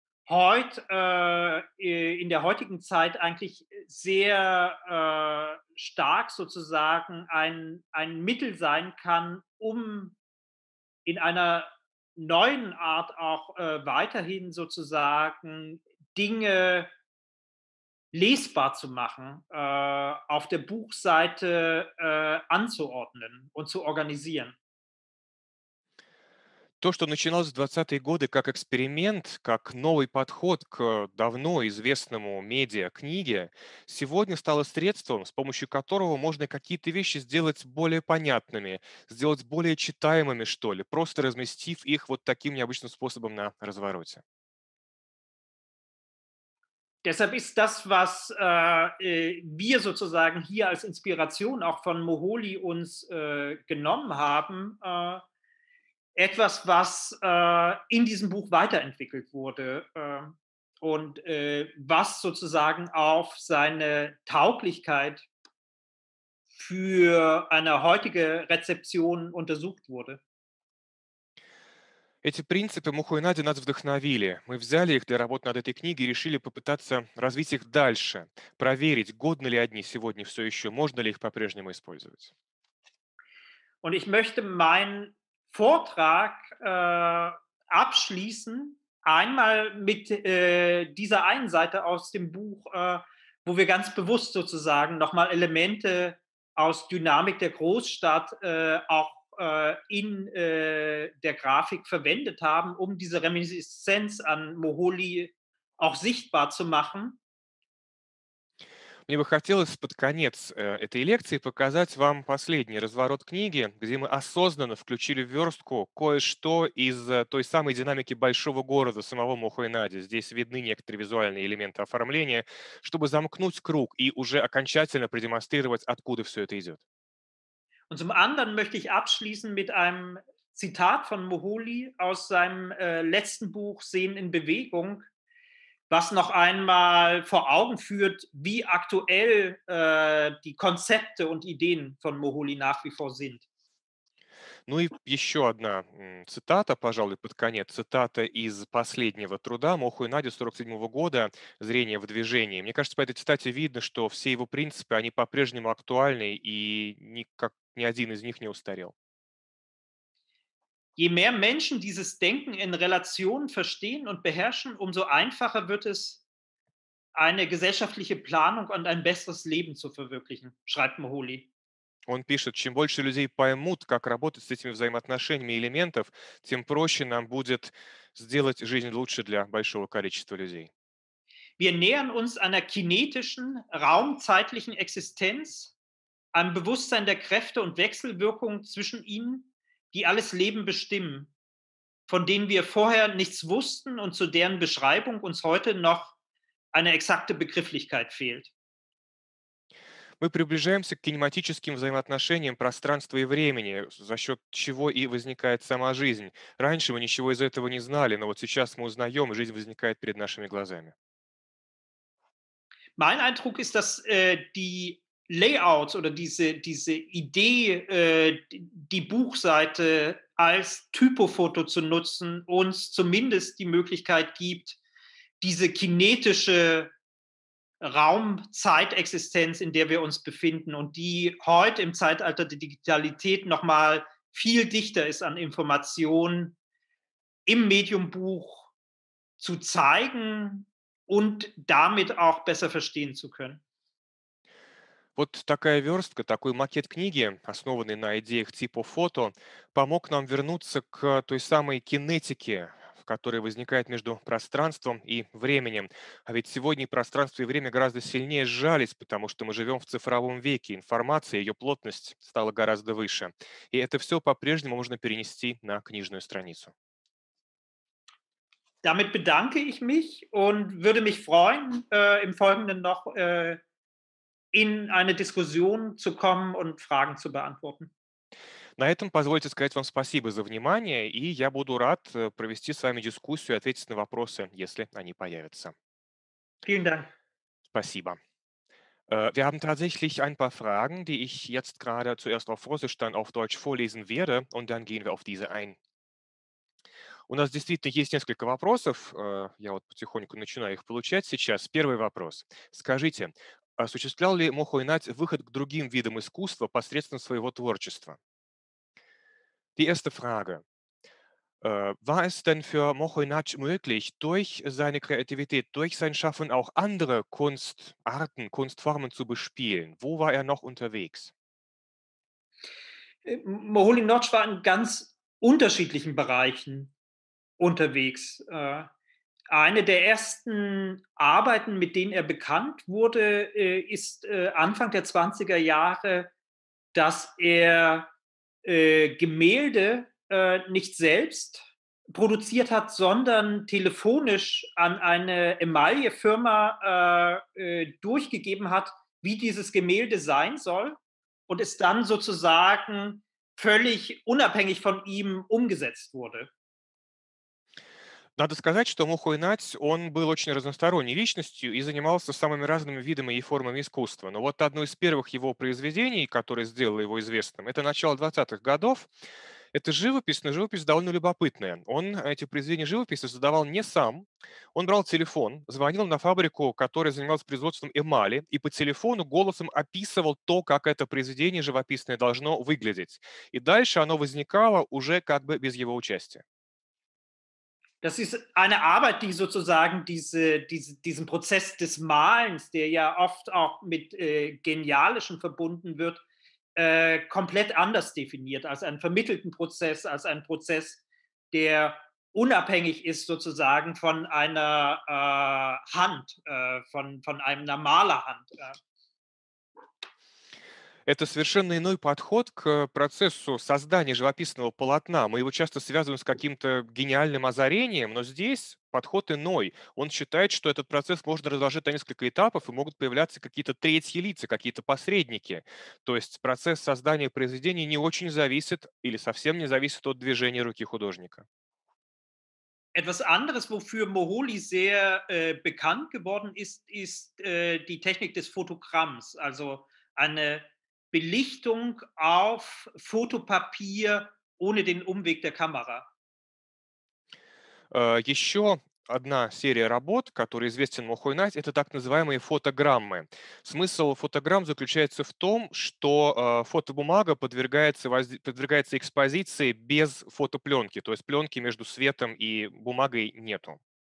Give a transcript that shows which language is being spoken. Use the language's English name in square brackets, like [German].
[German] heute in der heutigen Zeit eigentlich sehr stark sozusagen ein Mittel sein kann, um in einer neuen Art auch weiterhin sozusagen Dinge lesbar zu machen, auf der Buchseite anzuordnen und zu organisieren. [Russian] То, что начиналось в 20-е годы как эксперимент, как новый подход к давно известному медиа-книге, сегодня стало средством, с помощью которого можно какие-то вещи сделать более понятными, сделать более читаемыми, что ли, просто разместив их вот таким необычным способом на развороте. [German] Deshalb ist das, was wir sozusagen hier als Inspiration auch von Moholy uns genommen haben, etwas, was in diesem Buch weiterentwickelt wurde und was sozusagen auf seine Tauglichkeit für eine heutige Rezeption untersucht wurde. [Russian] Эти принципы Муху и Надя нас вдохновили. Мы взяли их для работы над этой книгой и решили попытаться развить их дальше, проверить, годны ли одни сегодня все еще, можно ли их по-прежнему использовать. [German] Und ich möchte meinen Vortrag abschließen, einmal mit dieser einen Seite aus dem Buch, wo wir ganz bewusst sozusagen nochmal Elemente aus Dynamik der Großstadt auch in der Grafik verwendet haben, um diese Reminiszenz an Moholy auch sichtbar zu machen. [Russian] Мне бы хотелось под конец этой лекции показать вам последний разворот книги, где мы осознанно включили в верстку кое-что из той самой динамики большого города самого Муху и Нади. Здесь видны некоторые визуальные элементы оформления, чтобы замкнуть круг и уже окончательно продемонстрировать, откуда все это идет. [German] Und zum anderen möchte ich abschließen mit einem Zitat von Moholy aus seinem letzten Buch Sehen in Bewegung, was noch einmal vor Augen führt, wie aktuell die Konzepte und Ideen von Moholy nach wie vor sind. [Russian] Ну и еще одна цитата, пожалуй, под конец. Цитата из последнего труда Муху и Нади 47-го года «Зрение в движении». Мне кажется, по этой цитате видно, что все его принципы, они по-прежнему актуальны, и никак ни один из них не устарел. [German] Je mehr Menschen dieses Denken in Relation verstehen und beherrschen, umso einfacher wird es, eine gesellschaftliche Planung und ein besseres Leben zu verwirklichen, schreibt Moholy. [Russian] Он пишет, чем больше людей поймут, как работать с этими взаимоотношениями элементов, тем проще нам будет сделать жизнь лучше для большого количества людей. [German] Wir nähern uns einer kinetischen, raumzeitlichen Existenz, einem Bewusstsein der Kräfte und Wechselwirkung zwischen ihnen, die alles Leben bestimmen, von denen wir vorher nichts wussten und zu deren Beschreibung uns heute noch eine exakte Begrifflichkeit fehlt. [Russian] Мы приближаемся к кинематическим взаимоотношениям пространства и времени, за счет чего и возникает сама жизнь. Раньше мы ничего из этого не знали, но вот сейчас мы узнаем, и жизнь возникает перед нашими глазами. [German] Mein Eindruck ist, dass die Layouts oder diese Idee, die Buchseite als Typofoto zu nutzen, uns zumindest die Möglichkeit gibt, diese kinetische Raum-Zeitexistenz, in der wir uns befinden und die heute im Zeitalter der Digitalität nochmal viel dichter ist an Informationen im Medium-Buch zu zeigen und damit auch besser verstehen zu können. [Russian] Вот такая верстка, такой макет книги, основанный на идеях типа фото, помог нам вернуться к той самой кинетике, который возникает между пространством и временем. А ведь сегодня пространство и время гораздо сильнее сжались, потому что мы живем в цифровом веке, информация, ее плотность стала гораздо выше. И это все по-прежнему можно перенести на книжную страницу. [German] Damit bedanke ich mich und würde mich freuen, im Folgenden noch in eine Diskussion zu kommen und Fragen zu beantworten. [Russian] На этом позвольте сказать вам спасибо за внимание, и я буду рад провести с вами дискуссию и ответить на вопросы, если они появятся. [German] Vielen Dank. [Russian] Спасибо. [German] Wir haben tatsächlich ein paar Fragen, die ich jetzt gerade zuerst auf Russisch, dann auf Deutsch vorlesen werde, und dann gehen wir auf diese ein. [Russian] У нас действительно есть несколько вопросов. Я вот потихоньку начинаю их получать сейчас. Первый вопрос. Скажите, осуществлял ли Мохойнать выход к другим видам искусства посредством своего творчества? [German] Die erste Frage. War es denn für Mohoinatsch möglich, durch seine Kreativität, durch sein Schaffen auch andere Kunstarten, Kunstformen zu bespielen? Wo war er noch unterwegs? Mohoinatsch war in ganz unterschiedlichen Bereichen unterwegs. Eine der ersten Arbeiten, mit denen er bekannt wurde, ist Anfang der 20er Jahre, dass er Gemälde nicht selbst produziert hat, sondern telefonisch an eine Emaillefirma durchgegeben hat, wie dieses Gemälde sein soll, und es dann sozusagen völlig unabhängig von ihm umgesetzt wurde. [Russian] Надо сказать, что Мохойнать, он был очень разносторонней личностью и занимался самыми разными видами и формами искусства. Но вот одно из первых его произведений, которое сделало его известным, это начало 20-х годов. Это живопись, но живопись довольно любопытная. Он эти произведения живописи создавал не сам. Он брал телефон, звонил на фабрику, которая занималась производством эмали, и по телефону голосом описывал то, как это произведение живописное должно выглядеть. И дальше оно возникало уже как бы без его участия. [German] Das ist eine Arbeit, die sozusagen diesen Prozess des Malens, der ja oft auch mit Genialischem verbunden wird, komplett anders definiert, als einen vermittelten Prozess, als einen Prozess, der unabhängig ist sozusagen von einer Hand, von einer Malerhand. [Russian] Это совершенно иной подход к процессу создания живописного полотна. Мы его часто связываем с каким-то гениальным озарением, но здесь подход иной. Он считает, что этот процесс можно разложить на несколько этапов, и могут появляться какие-то третьи лица, какие-то посредники. То есть процесс создания произведения не очень зависит или совсем не зависит от движения руки художника. [German] Etwas anderes, wofür Moholy sehr bekannt geworden ist, ist die Technik des Fotogramms, also eine Belichtung auf Fotopapier ohne den Umweg der Kamera. [Russian] Еще одна серия работ, которая известен Мохойнать, это так называемые фотограммы. Смысл фотограмм заключается в том, что фотобумага подвергается экспозиции без фотопленки, то есть пленки между светом и бумагой нету.